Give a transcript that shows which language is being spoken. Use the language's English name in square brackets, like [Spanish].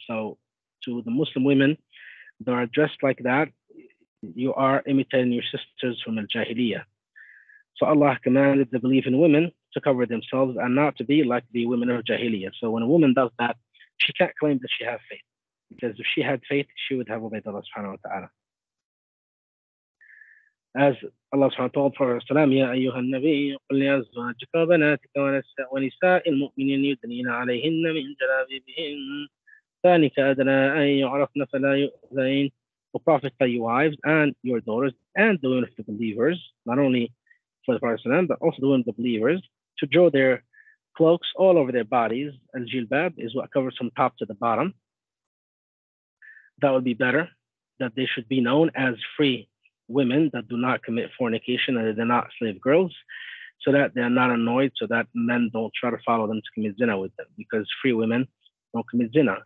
[English] So to the Muslim women that are dressed like that, you are imitating your sisters from al-Jahiliyyah. So Allah commanded the believing women to cover themselves and not to be like the women of Jahiliyyah. So when a woman does that, she can't claim that she has faith. Because if she had faith, she would have obeyed Allah subhanahu wa ta'ala. As Allah subhanahu wa ta'ala told Prophet salam, [Arabic] Ya ayyuha al-Nabi, قُلْ لِأَزْوَاجِكَ وَبَنَاتِكَ وَنِسَاءِ الْمُؤْمِنِينَ يُدْنِينَ عَلَيْهِنَّ مِنْ جَلَابِيبِهِنَّ ثَانِكَ أَدْنَى أَنْ يُعْرَفْنَ فَلَا يُؤْذَيْنَ. [English] O Prophet, tell your wives and your daughters and the women of the believers, not only for the Prophet salam, but also the women of the believers, to draw their cloaks all over their bodies. Al-jilbab is what covers from top to the bottom. That would be better, that they should be known as free women that do not commit fornication and they're not slave girls, so that they're not annoyed, so that men don't try to follow them to commit zina with them, because free women don't commit zina.